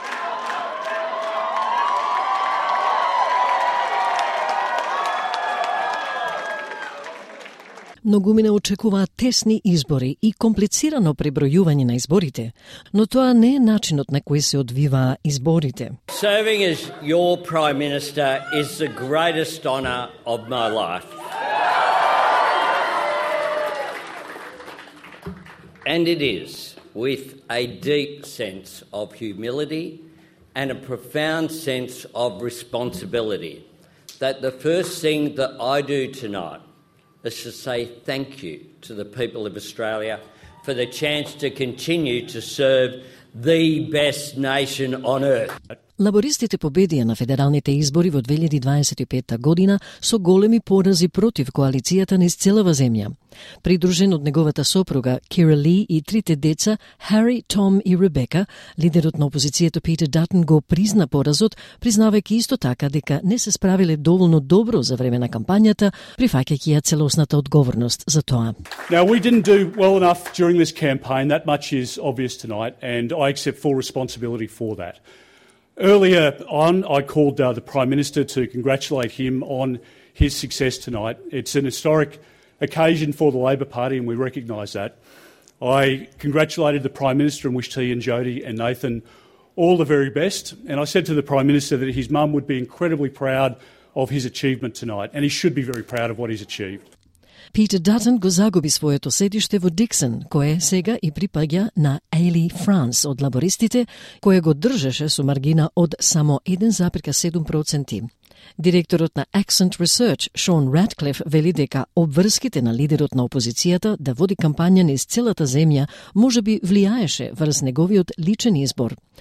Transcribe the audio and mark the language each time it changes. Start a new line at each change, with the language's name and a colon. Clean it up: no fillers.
Macedonian: Mm-hmm. многумина очекуваа тесни избори и комплицирано пребројување на изборите, но тоа не е начинот на кој се одвиваа изборите.
English: Serving as your prime minister is the greatest honor of my life. And it is with a deep sense of humility and a profound sense of responsibility that the first thing that I do tonight is to say thank you to the people of Australia for the chance to continue to serve the best nation on earth.
Macedonian: Лабористите победија на федералните избори во 2025 година со големи порази против коалицијата низ целава земја. Придружен од неговата сопруга Кира Ли и трите деца, Хари, Том и Ребека, лидерот на опозицијата Питер Датен го призна поразот, признавајќи исто така дека не се справиле доволно добро за време на кампањата, прифаќајќи ја целосната одговорност за тоа.
English: Now we didn't do well enough during this campaign, that much is obvious tonight and I accept full responsibility for that. Earlier on, I called the Prime Minister to congratulate him on his success tonight. It's an historic occasion for the Labor Party, and we recognise that. I congratulated the Prime Minister and wished he and Jody and Nathan all the very best. And I said to the Prime Minister that his mum would be incredibly proud of his achievement tonight, and he should be very proud of what he's achieved.
Macedonian: Питер Датен го загуби своето седиште во Диксон, кое сега и припаѓа на Ели Франс од лабористите, кое го држеше со маргина од само 1,7%. Директорот на Accent Research, Шон Ратклиф, вели дека обврските на лидерот на опозицијата да води кампања низ целата земја може би влијаеше врз неговиот личен избор.